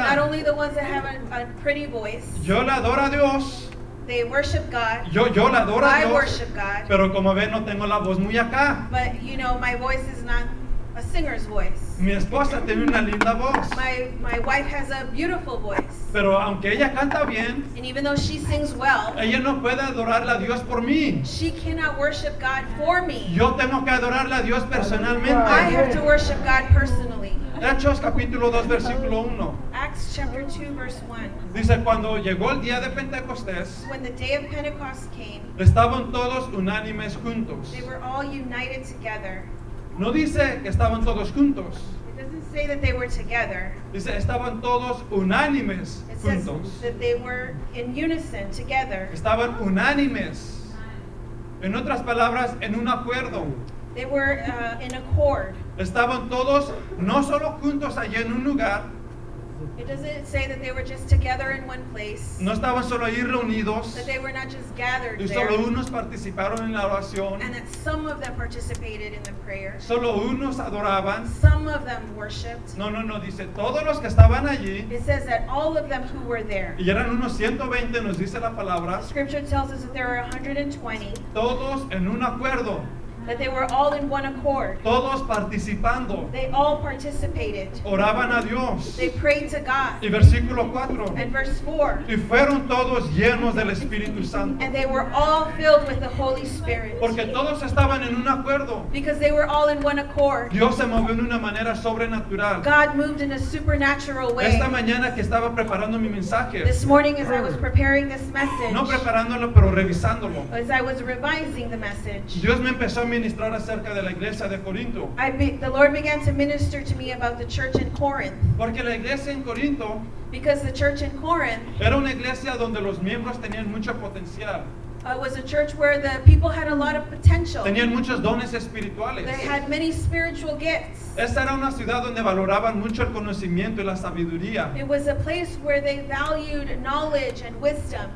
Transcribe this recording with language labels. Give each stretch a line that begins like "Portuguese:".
English: Not only the ones that have a pretty voice.
Spanish: Yo le adoro a Dios.
English: They worship God.
Spanish: Yo le adoro a Dios.
English: I worship God.
Spanish: Pero como ven, no tengo la voz muy acá.
English: But you know, my voice is not a singer's voice.
Spanish: Mi esposa tiene una linda voz.
English: My wife has a beautiful voice.
Spanish: Pero aunque ella canta bien,
English: and even though she sings well,
Spanish: ella no puede adorarle a Dios por mí.
English: She cannot worship God for me.
Spanish: Yo tengo que adorarle a Dios personalmente.
English: I have to worship God personally.
Spanish: Hechos capítulo 2 versículo 1.
English: Acts chapter 2 verse 1.
Spanish: Dice, cuando llegó el día de Pentecostés,
English: when the day of Pentecost came,
Spanish: estaban todos unánimes juntos.
English: They were all united together.
Spanish: No dice que estaban todos juntos.
English: It doesn't say that they were together.
Spanish: Dice estaban todos unánimes juntos.
English: It says that they were in unison together.
Spanish: Estaban unánimes. En otras palabras, en un acuerdo.
English: They were in accord.
Spanish: Estaban todos no solo juntos allí en un lugar.
English: It doesn't say that they were just together in one place.
Spanish: No estaban solo ahí reunidos.
English: That they were not just gathered there.
Spanish: Y solo
English: there,
Spanish: unos participaron en la oración.
English: And that some of them participated in the prayer.
Spanish: Solo unos adoraban.
English: Some of them worshipped.
Spanish: No, dice todos los que estaban allí.
English: It says that all of them who were there.
Spanish: Y eran unos 120, nos dice la palabra.
English: The scripture tells us that there were 120.
Spanish: Todos en un acuerdo.
English: That they were all in one accord.
Spanish: Todos participando.
English: They all participated.
Spanish: Oraban a Dios.
English: They prayed to God.
Spanish: Y versículo 4.
English: And verse 4.
Spanish: Y fueron todos llenos del Espíritu Santo.
English: And they were all filled with the Holy Spirit.
Spanish: Porque todos estaban en un acuerdo.
English: Because they were all in one accord.
Spanish: Dios se movió en una manera sobrenatural.
English: God moved in a supernatural way.
Spanish: Esta mañana que estaba preparando mi mensaje.
English: This morning as I was preparing this message.
Spanish: No preparándolo, pero revisándolo.
English: As I was revising the message.
Spanish: Dios me empezó ministrar acerca de la iglesia de Corinto.
English: The Lord began to minister to me about the church in Corinth.
Spanish: Porque la iglesia en Corinto,
English: because the church in Corinth,
Spanish: era una iglesia donde los miembros tenían mucho potencial.
English: It was a church where the people had a lot of potential.
Spanish: Tenían muchos dones espirituales.
English: They had many spiritual gifts.
Spanish: Esa era una ciudad donde valoraban mucho el conocimiento y la sabiduría.
English: It was a place where they valued knowledge and wisdom.